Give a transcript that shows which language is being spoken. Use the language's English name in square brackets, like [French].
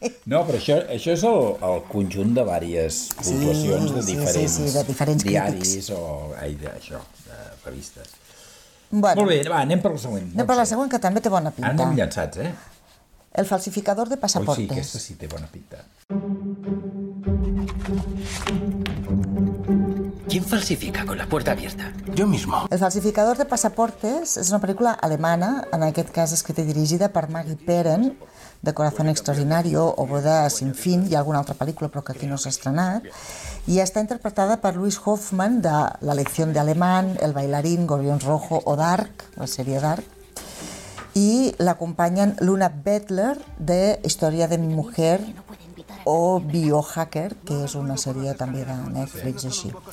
[Catalan] No, però això és el conjunt de diverses puntuacions de diferents diaris crítics. De revistes. Bueno, molt bé, va, anem per la següent. Anem per la següent, que també té bona pinta. Anem llançats, eh? El falsificador de passaportes. Oh, sí, aquesta sí té bona pinta. [Spanish] ¿Quién falsifica con la puerta abierta? Yo mismo. [Catalan] El falsificador de passaportes és una pel·lícula alemana, en aquest cas escrita i dirigida per Maggie Perrin, de Corazón Extraordinario o Boda sin fin, i alguna altra pel·lícula, però que aquí no s'ha estrenat, i està interpretada per Luis Hoffman, de La lección de alemán, El bailarín, Gorrión rojo o Dark, la sèrie Dark, i l'acompanyen Luna Bettler, de Historia de mi mujer, o Biohacker, que és una sèrie també de Netflix, així.